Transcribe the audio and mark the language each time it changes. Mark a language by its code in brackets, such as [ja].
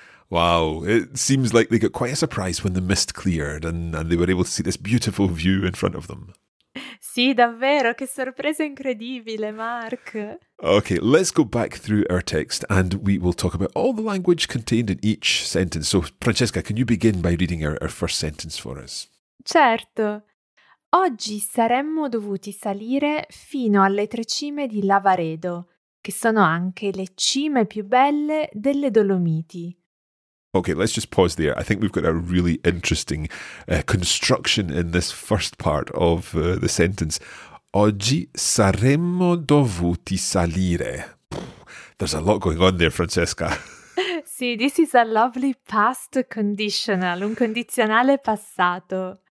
[en] Wow, it seems like they got quite a surprise when the mist cleared and they were able to see this beautiful view in front of them. [it] Sì, davvero, che sorpresa incredibile, Mark. [en] Okay, let's go back through our text and we will talk about all the language contained in each sentence. So, Francesca, can you begin by reading our first sentence for us? [it] Certo. Oggi saremmo dovuti salire fino alle tre cime di Lavaredo, che sono anche le cime più belle delle Dolomiti. [en] Okay, let's just pause there. I think we've got a really interesting construction in this first part of the sentence. [it] Oggi saremmo dovuti salire. [en] There's a lot going on there, Francesca. Sì, this is a lovely past conditional, [it] un condizionale passato.